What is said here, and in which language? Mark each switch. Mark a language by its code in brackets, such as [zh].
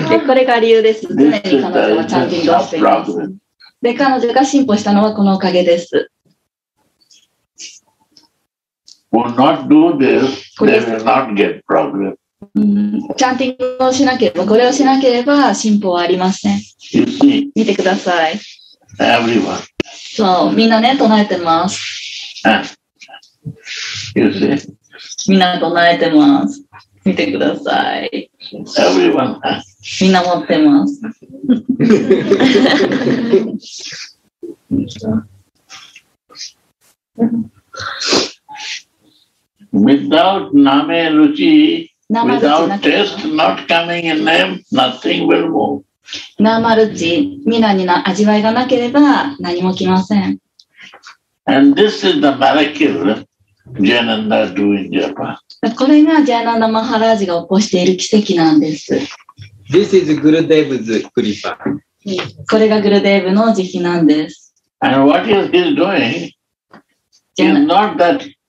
[ja] これが理由ですね。彼女はチャンティングをしています。で、彼女が進歩したのはこのおかげです。 [en] We'll not do this, then we'll not get progress. [ja] チャンティングをしなければ、これをしなければ進歩はありません。 [en] See, [ja] 見てください。 [en] Everyone. [ja] そう、みんなね、唱えてます。 [en] You see? [ja] みんな唱えてます。見てください。 [en] Everyone. [ja] みんな持ってます。 [en] Without name ruchi, without taste, not coming in name, nothing will move. [ja] Nama ruchi, mina ni na ajiwai ga nakereba, nani mo kimasen. [en] And this is the miracle Jnana is doing in Japan. [ja] これがジャナンダマハラージが起こしている奇跡なんです。 [en] This is Gurudev's kripa. [ja] これがグルデーブの慈悲なんです。 [en] And what he is doing is not that.